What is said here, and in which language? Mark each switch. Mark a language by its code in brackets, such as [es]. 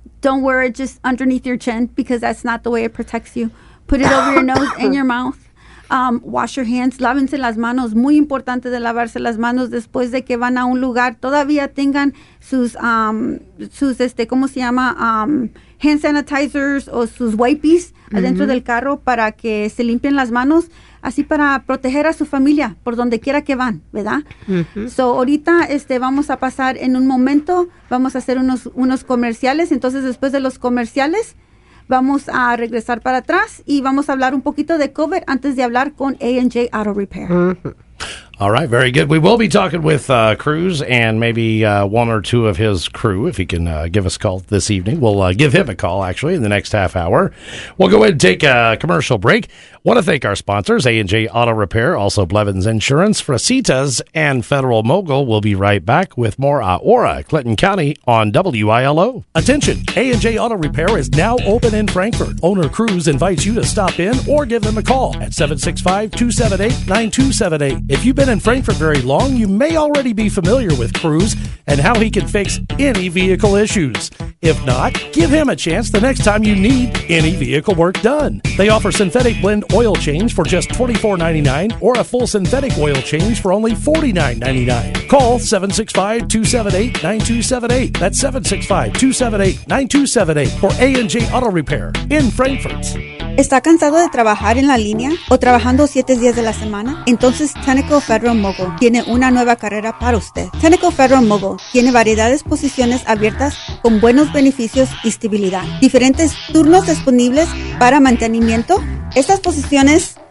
[en] Don't wear it just underneath your chin, because that's not the way it protects you. Put it over your nose and your mouth. Wash your hands. [es] Lávense las manos. Muy importante de lavarse las manos después de que van a un lugar. Todavía tengan sus [en] hand sanitizers [es] o sus wipes uh-huh. adentro del carro para que se limpien las manos, así para proteger a su familia por donde quiera que van, ¿verdad? Uh-huh. So, ahorita vamos a pasar en un momento, vamos a hacer unos comerciales. Entonces, después de los comerciales, vamos a regresar para atrás y vamos a hablar un poquito de COVID antes de hablar con A&J Auto Repair. Uh-huh. [en] All right, very good. We will be talking with Cruz and maybe one or two of his crew, if he can give us a call this evening. We'll give him a call, actually, in the next half hour. We'll go ahead and take a commercial break. Want to thank our sponsors, A&J Auto Repair, also Blevins Insurance, Fresitas, and Federal Mogul. We'll be right back with more Aura, Clinton County, on WILO. Attention, A&J Auto Repair is now open in Frankfort. Owner Cruz invites you to stop in or give them a call at 765-278-9278. If you've been in Frankfort very long, you may already be familiar with Cruz and how he can fix any vehicle issues. If not, give him a chance the next time you need any vehicle work done. They offer synthetic blend oil change for just $24.99 or a full synthetic oil change for only $49.99. Call 765-278-9278. That's 765-278-9278 for A&J Auto Repair in Frankfort. [es] ¿Está cansado de trabajar en la línea o trabajando 7 días de la semana? Entonces Tenneco Federal Mogul tiene una nueva carrera para usted. Tenneco Federal Mogul tiene variedades posiciones abiertas con buenos beneficios y estabilidad. Diferentes turnos disponibles para mantenimiento. Estas posiciones